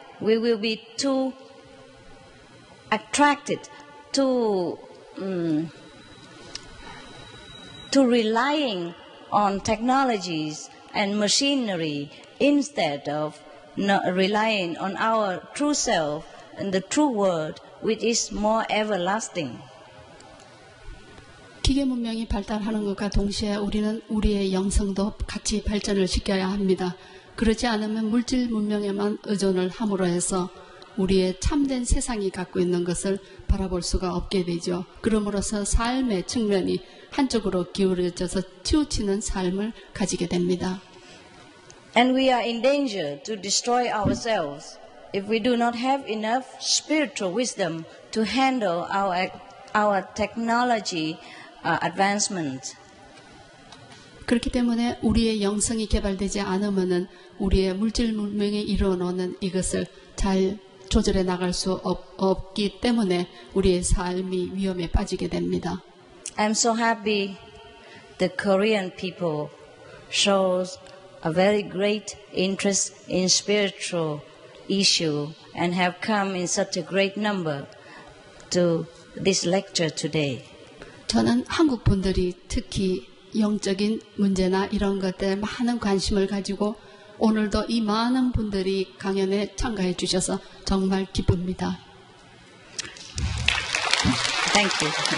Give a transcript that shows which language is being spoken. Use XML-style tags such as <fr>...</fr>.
<en>We will be too attracted, too relying on technologies and machinery instead of relying on our true self and the true world, which is more everlasting.</en> <ko>기계 문명이 발달하는 것과 동시에 우리는 우리의 영성도 같이 발전을 시켜야 합니다. 그렇지 않으면 물질 문명에만 의존을 함으로 해서 우리의 참된 세상이 갖고 있는 것을 바라볼 수가 없게 되죠. 그러므로서 삶의 측면이 한쪽으로 기울여져서 치우치는 삶을 가지게 됩니다.</ko> <en>And we are in danger to destroy ourselves if we do not have enough spiritual wisdom to handle our technology advancement.</en> <ko>그렇기 때문에 우리의 영성이 개발되지 않으면은 우리의 물질 문명에 이뤄놓는 이것을 잘 조절해 나갈 수 없기 때문에 우리의 삶이 위험에 빠지게 됩니다.</ko> <en>I'm so happy the Korean people shows a very great interest in spiritual issue and have come in such a great number to this lecture today.</en> <ko>저는 한국 분들이 특히 영적인 문제나 이런 것들에 많은 관심을 가지고 오늘도 이 많은 분들이 강연에 참가해 주셔서 정말 기쁩니다.</ko> <en>Thank you.</en>